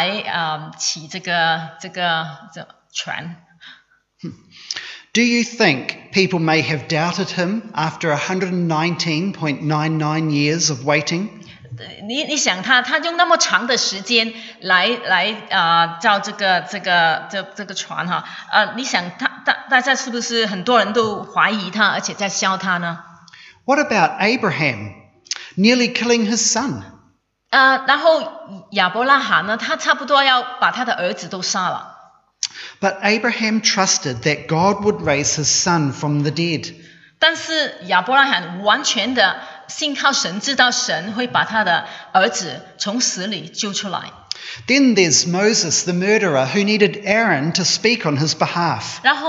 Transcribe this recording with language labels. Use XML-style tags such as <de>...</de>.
<zh>Noah 用了200年的时间来起这个船。</zh> <en>Do you think people may have doubted him after 119.99 years of waiting?</en> <zh>你想他用那么长的时间来造这个船，你想大家是不是很多人都怀疑他，而且在笑他呢？</zh> <en>What about Abraham, nearly killing his son?</en> <zh>然后亚伯拉罕呢，他差不多要把他的儿子都杀了。</zh> <en>But Abraham trusted that God would raise his son from the dead.</en> <zh>但是亚伯拉罕完全的 信靠神，知道神会把他的儿子从死里救出来。</zh> <en>Then there's Moses, the murderer, who needed Aaron to speak on his behalf.</en>